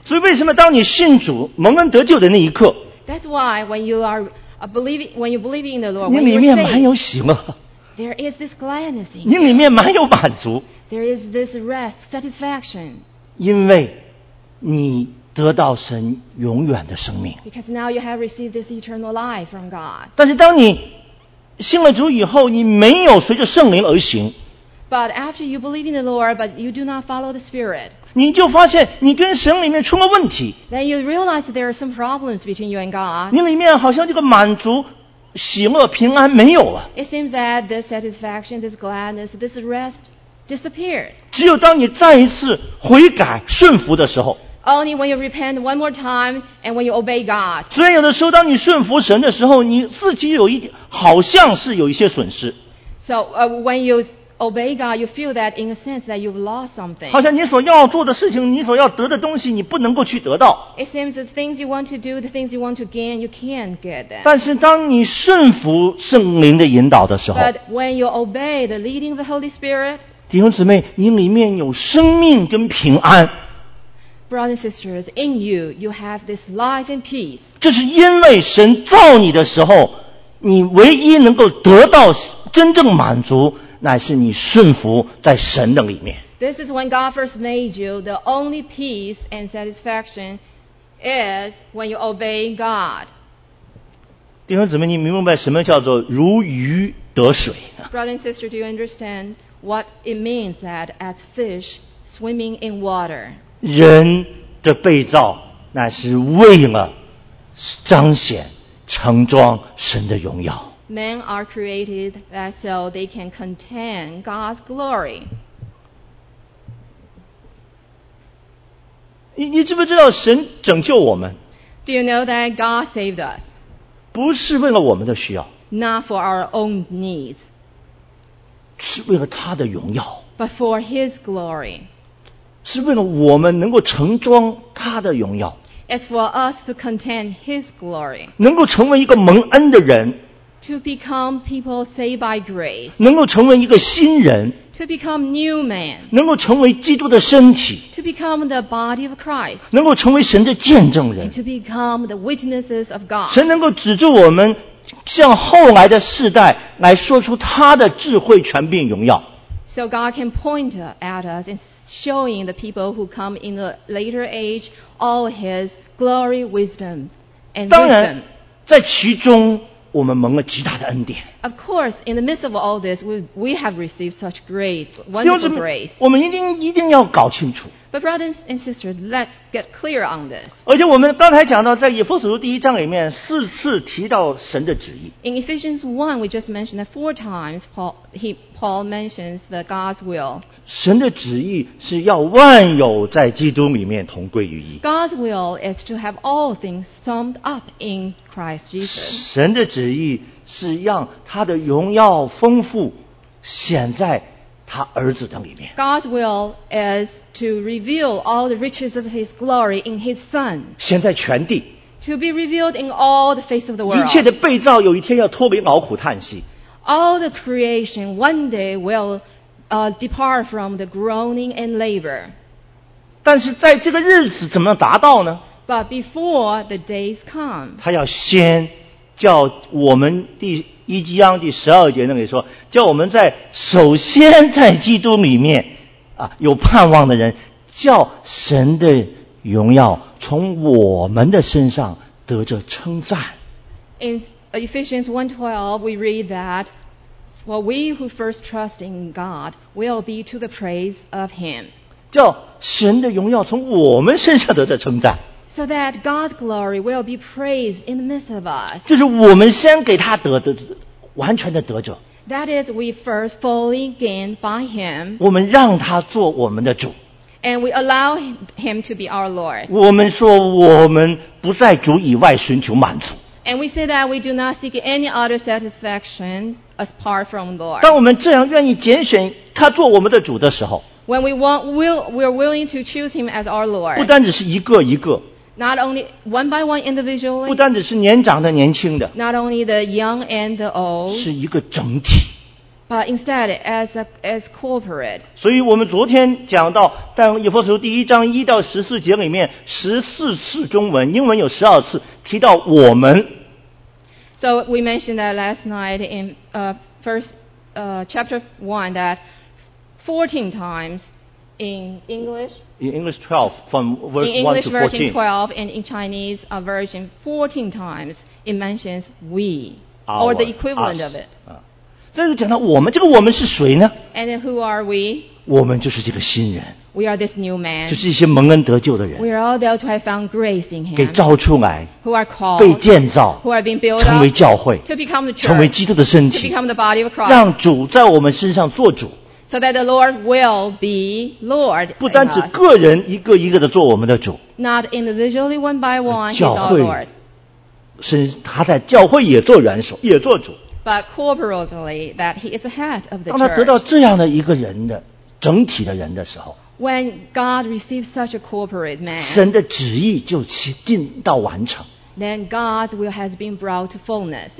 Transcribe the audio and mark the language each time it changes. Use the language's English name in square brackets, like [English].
[Chinese] 所以为什么当你信主蒙恩得救的那一刻 [English] ，That's why when you are believing, when you believe in the Lord, [Chinese] 你里面满有喜乐。 [English] There is this gladness in you. [Chinese] 你里面满有满足。 [English] There is this rest, satisfaction. [Chinese] 因为你得到神永远的生命。 [English] Because now you have received this eternal life from God. [Chinese] 但是当你信了主以后，你没有随着圣灵而行。 [English] But after you believe in the Lord, but you do not follow the Spirit. [Chinese] 你就发现你跟神里面出了问题。 [English] Then you realize that there are some problems between you and God. [Chinese] 你里面好像这个满足喜乐平安没有了。 [English] It seems that this satisfaction, this gladness, this rest disappeared. [Chinese] 只有当你再一次悔改顺服的时候。 [English] Only when you repent one more time and when you obey God. [Chinese] 虽然有的时候当你顺服神的时候，你自己有一点好像是有一些损失。 [English] So, when you obey God, you feel that in a sense that you've lost something. [Chinese] 好像你所要做的事情，你所要得的东西，你不能够去得到。 [English] It seems the things you want to do, the things you want to gain, you can't get them. [Chinese] 但是当你顺服圣灵的引导的时候。 [English] But when you obey the leading of the Holy Spirit, [Chinese] 弟兄姊妹，你里面有生命跟平安。 [English] Brothers and sisters, in you, you have this life and peace. [Chinese] 这是因为神造你的时候，你唯一能够得到真正满足乃是你顺服在神的里面。 [English] This is when God first made you. The only peace and satisfaction is when you obey God. [Chinese] 弟兄姊妹，你明白什么叫做如鱼得水？ [English] Brother and sister, do you understand what it means that as fish swimming in water? [Chinese] 人的被造乃是为了彰显盛装神的荣耀。 [English] Men are created that so they can contain God's glory. [Chinese] 你知不知道神拯救我们？ [English] Do you know that God saved us? [Chinese] 不是为了我们的需要。 [English] Not for our own needs. [Chinese] 是为了他的荣耀。 [English] But for his glory. [Chinese] 是为了我们能够盛装他的荣耀。 [English] It's for us to contain his glory. [Chinese] 能够成为一个蒙恩的人。 [English] To become people saved by grace. [Chinese] 能够成为一个新人。 [English] To become new man. [Chinese] 能够成为基督的身体。 [English] To become the body of Christ. [Chinese] 能够成为神的见证人。 [English] And to become the witnesses of God. [Chinese] 神能够指着我们向后来的世代来说出他的智慧权柄荣耀。 [English] So God can point at us and showing the people who come in the later age all his glory, wisdom, and wisdom. [Chinese] 当然在其中我们蒙了极大的恩典。 [English] Of course, in the midst of all this, we have received such great, wonderful grace. [Chinese] 我们一定要搞清楚。 [English] But brothers and sisters, let's get clear on this. [Chinese] 而且我们刚才讲到，在以弗所书第一章里面四次提到神的旨意。 [English] In Ephesians 1, we just mentioned that four times Paul mentions the God's will. [Chinese] 神的旨意是要万有在基督里面同归于一。 [English] God's will is to have all things summed up in Christ Jesus. [Chinese] 神的旨意是让他的荣耀丰富显在他儿子的里面。 [English] God's will is to reveal all the riches of his glory in his son. [Chinese] 显在全地。 [English] To be revealed in all the face of the world. [Chinese] 一切的被造有一天要脱离劳苦叹息。 [English] All the creation one day will depart from the groaning and labor. [Chinese] 但是在这个日子怎么达到呢？ [English] But before the days come, [Chinese] 他要先叫我们第一章第十二节那里说，叫我们在首先在基督里面啊有盼望的人，叫神的荣耀从我们的身上得着称赞。 [English] In Ephesians 1:12, we read that, "For we who first trust in God will be to the praise of Him." [Chinese] 叫神的荣耀从我们身上得着称赞。 [English] So that God's glory will be praised in the midst of us. [Chinese] 就是我们先给他得的，完全的得着。 [English] That is, we first fully gained by Him. [Chinese] 我们让他做我们的主。 [English] And we allow Him to be our Lord. [Chinese] 我们说我们不在主以外寻求满足。 [English] And we say that we do not seek any other satisfaction apart from the Lord. [Chinese] 当我们这样愿意拣选他做我们的主的时候。 [English] When we are willing to choose Him as our Lord. [Chinese] 不单只是一个一个。 [English] Not only one by one individually. [Chinese] 不单只是年长的年轻的。 [English] Not only the young and the old. [Chinese] 是一个整体。 [English] But instead, as corporate. [Chinese] 所以我们昨天讲到，但以弗所书第一章一到十四节里面，十四次中文，英文有十二次提到我们。 [English] So we mentioned that last night in chapter one that 14 times in English. In English 12, from verse 1 to 14. In English version 12, and in Chinese version 14 times, it mentions we, or the equivalent of it. [Chinese] 这就讲到我们，这个我们是谁呢 [English] ？And who are we？ [Chinese] 我们就是这个新人。 [English] We are this new man。 [Chinese] 就是一些蒙恩得救的人。 [English] We are all those who have found grace in Him。 [Chinese] 给召出来。 [English] Who are called？ [Chinese] 被建造。 [English] Who are being built？ [Chinese] 成为教会。 [English] To become the church。 [Chinese] 成为基督的身体。 [English] To become the body of Christ。 [Chinese] 让主在我们身上做主。 [English] So that the Lord will be Lord。 [Chinese] 不单指个人一个一个的做我们的主。 [English] Not individually one by one。 [Chinese] 教会。是他在教会也做元首，也做主。 [English] But corporately, that he is the head of the church. [Chinese] 当他得到这样的一个人的整体的人的时候 [English] ，When God receives such a corporate man, [Chinese] 神的旨意就定到完成。 [English] Then God's will has been brought to fullness.